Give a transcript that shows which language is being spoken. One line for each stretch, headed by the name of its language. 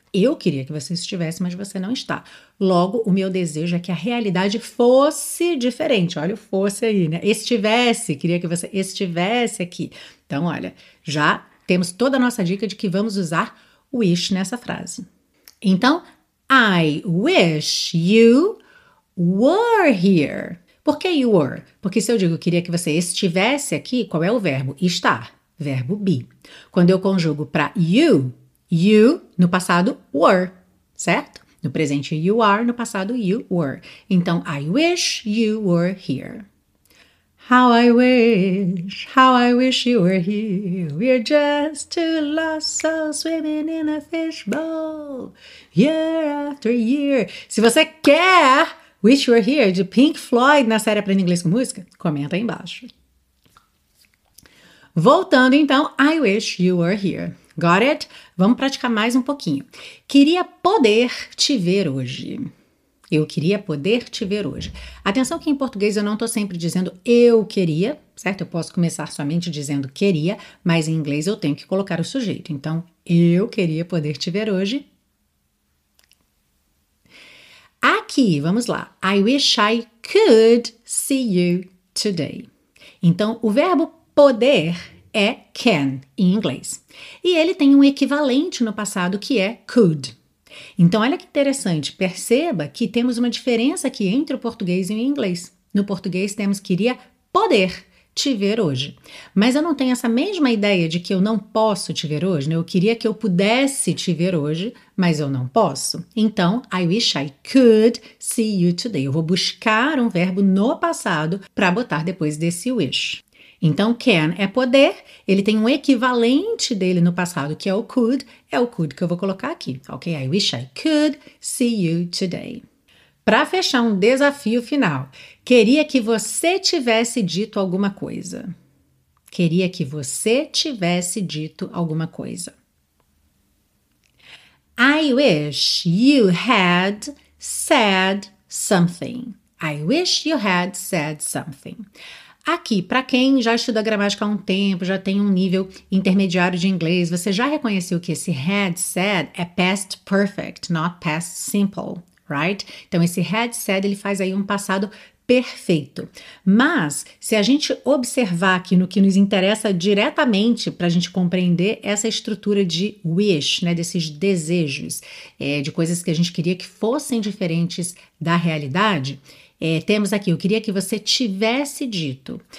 Portuguese: Eu queria que você estivesse, mas você não está. Logo, o meu desejo é que a realidade fosse diferente. Olha o fosse aí, né? Estivesse, queria que você estivesse aqui. Então, olha, já temos toda a nossa dica de que vamos usar wish nessa frase.
English: Então, I wish you were here.
Portuguese: Por que
English: you were?
Portuguese: Porque se eu digo queria que você estivesse aqui, qual é o verbo? Estar, verbo be. Quando eu conjugo para you, you, no passado, were, certo? No presente, you are, no passado, you were. Então,
English: I wish you were here. How I wish you were here. We're just two lost souls swimming in a fishbowl, year after year.
Portuguese: Se você quer Wish You Were Here, de Pink Floyd, na série Aprenda Inglês com Música, comenta aí embaixo. Voltando, então,
English: I wish you were here. Got it?
Portuguese: Vamos praticar mais um pouquinho. Queria poder te ver hoje. Eu queria poder te ver hoje. Atenção que em português eu não estou sempre dizendo eu queria, certo? Eu posso começar somente dizendo queria, mas em inglês eu tenho que colocar o sujeito. Então, eu queria poder te ver hoje. Aqui, vamos lá.
English: I wish I could see you today.
Portuguese: Então, o verbo poder é can em inglês. E ele tem um equivalente no passado que é could. Então, olha que interessante. Perceba que temos uma diferença aqui entre o português e o inglês. No português, temos queria poder te ver hoje. Mas eu não tenho essa mesma ideia de que eu não posso te ver hoje, né? Eu queria que eu pudesse te ver hoje, mas eu não posso.
English: Então, I wish I could see you today.
Portuguese: Eu vou buscar um verbo no passado para botar depois desse wish. Então, can é poder, ele tem um equivalente dele no passado, que é o could que eu vou colocar aqui, ok?
English: I wish I could see you today.
Portuguese: Para fechar um desafio final, queria que você tivesse dito alguma coisa. queria que você tivesse dito alguma coisa.
English: I wish you had said something. I wish you had said something.
Portuguese: Aqui, para quem já estuda gramática há um tempo, já tem um nível intermediário de inglês, você já reconheceu que esse had said é
English: past perfect, not past simple, right?
Portuguese: Então, esse had said, ele faz aí um passado perfeito. Mas, se a gente observar aqui no que nos interessa diretamente para a gente compreender essa estrutura de wish, né, desses desejos, de coisas que a gente queria que fossem diferentes da realidade, temos aqui, eu queria que você tivesse dito.